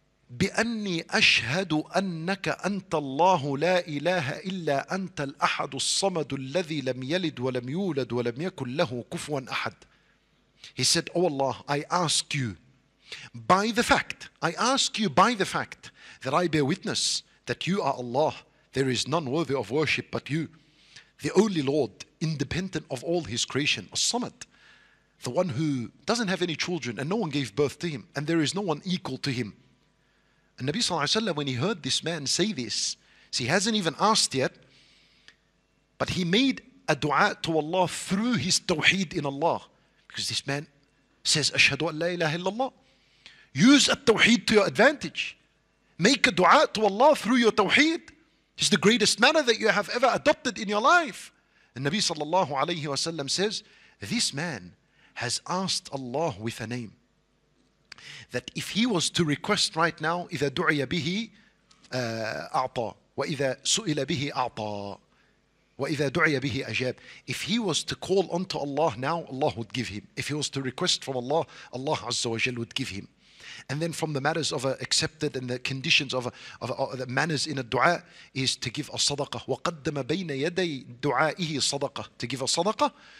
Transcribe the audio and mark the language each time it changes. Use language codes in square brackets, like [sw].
[ar] بأني أشهد أنك أنت الله لا إله إلا أنت الأحد الصمد الذي لم يلد ولم يولد ولم يكن له كفوا أحد. [en] He said, Oh Allah, I ask you by the fact, I ask you by the fact that I bear witness that you are Allah. There is none worthy of worship but you, the only Lord, independent of all his creation. As-Samad, the one who doesn't have any children and no one gave birth to him and there is no one equal to him. And Nabi Sallallahu Alaihi Wasallam, when he heard this man say this, so he hasn't even asked yet, but he made a dua to Allah through his tawheed in Allah. Because this man says, [ar] Ashhadu an la ilaha illallah. [en] Use a tawheed to your advantage. Make a dua to Allah through your tawheed. It's the greatest manner that you have ever adopted in your life. And Nabi Sallallahu Alaihi Wasallam says, this man has asked Allah with a name. That if he was to request right now, [ar] إِذَا دُعِيَ بِهِ أَعْطَى وَإِذَا سُئِلَ بِهِ أَعْطَى وَإِذَا دُعِيَ بِهِ أَجَابٍ. [en] If he was to call unto Allah now, Allah would give him. If he was to request from Allah, Allah Azza wa Jal would give him. And then from the matters of accepted and the conditions of the manners in a dua is to give a sadaqah. [ar] وَقَدَّمَ بَيْنَ يَدَيْ دُعَائِهِ صَدَقَةً. [en] To give a sadaqah.